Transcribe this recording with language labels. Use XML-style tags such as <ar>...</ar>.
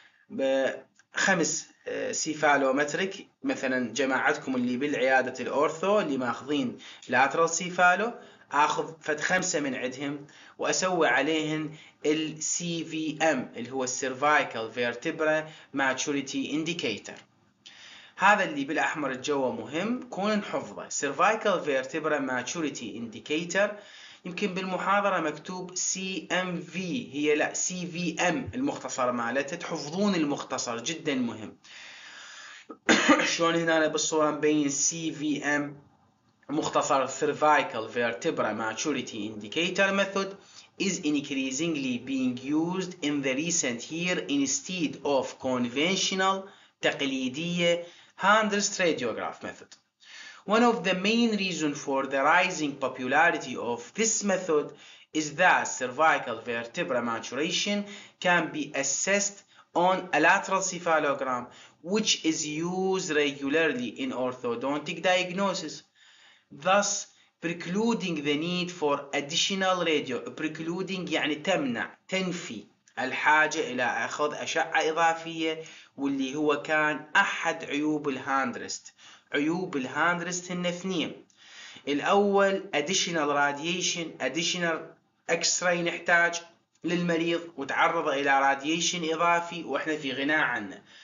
<ar>بخمس سيفالومتريك مثلا جماعتكم اللي بالعيادة الأورثو اللي ماخذين لاترال سيفالو، اخذ فد خمسة من عندهم واسوي عليهم ال CVM اللي هو السيرفايكال فيرتبرا ماتشوريتي انديكيتر. هذا اللي بالاحمر الجو مهم، كون نحفظه. سيرفايكال فيرتبرا ماتشوريتي انديكيتر يمكن بالمحاضره مكتوب CMV، هي لا CVM المختصر مالته، تحفظون المختصر جدا مهم. شلون هنا بالصوره مبين CVM مختصر</ar> <en>Cervical vertebra maturity indicator method is increasingly being used in the recent year instead of conventional تقليديه hand rest radiograph method. One of the main reasons for the rising popularity of this method is that cervical vertebra maturation can be assessed on a lateral cephalogram which is used regularly in orthodontic diagnosis, thus precluding the need for additional radio.</en> <ar>Precluding يعني تمنع، تنفي الحاجة إلى أخذ أشعة إضافية، واللي هو كان أحد عيوب الهاندرست. عيوب الهاندرست هن اثنين، الأول additional radiation، additional X-ray نحتاج للمريض وتعرض إلى radiation إضافي وإحنا في غنى عنه.</ar>